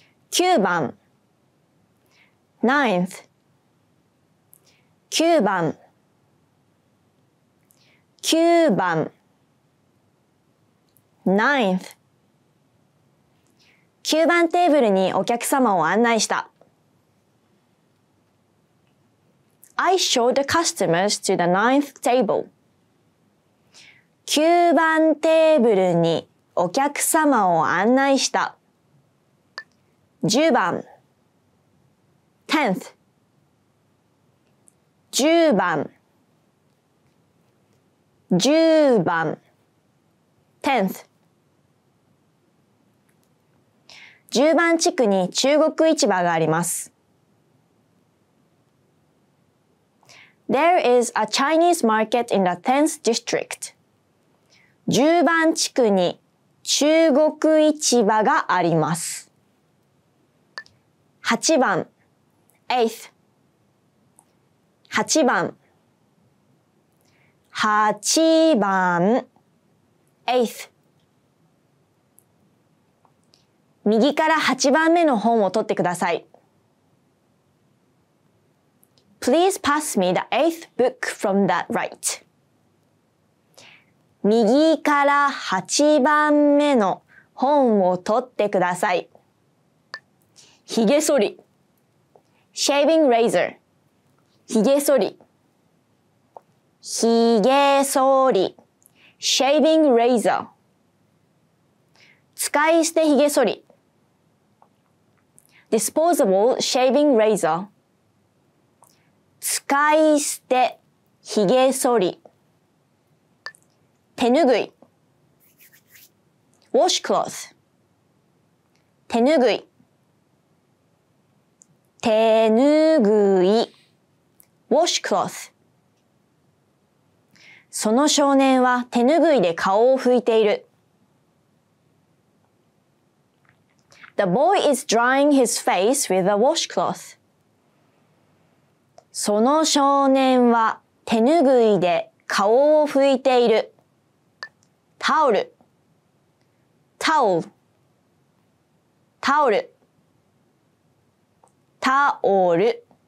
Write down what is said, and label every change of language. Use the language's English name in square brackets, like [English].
[Japanese] 9番 9th 9番9番 [English] 9th [Japanese] 9番テーブルにお客様を案内した。 [English] I showed the customers to the 9th table. [Japanese] 9番テーブルにお客様を案内した。 10番 10th 10番10番 [English] 10th [Japanese] 10番地区に中国市場があります。 [English] There is a Chinese market in the 10th district. [Japanese] 10番地区に中国市場があります。 8番 8th 8番 8番 [English] 8th [Japanese] 右から8番目の本を取ってください。 [English] Please pass me the 8th book from the right. [Japanese] 右から8番目の本を取ってください。ひげ剃り [English] Shaving razor [Japanese] ひげ剃りひげ剃り [English] Shaving razor [Japanese] 使い捨てひげ剃り [English] Disposable shaving razor [Japanese] 使い捨て、ひげ剃り。手ぬぐい。washcloth。手ぬぐい。手ぬぐい。 [English] washcloth。 [Japanese] その少年は手ぬぐいで顔を拭いている。 [English] The boy is drying his face with a washcloth. [Japanese] その少年は手ぬぐいで顔を拭いている。タオル、タオル、タオル、タオル、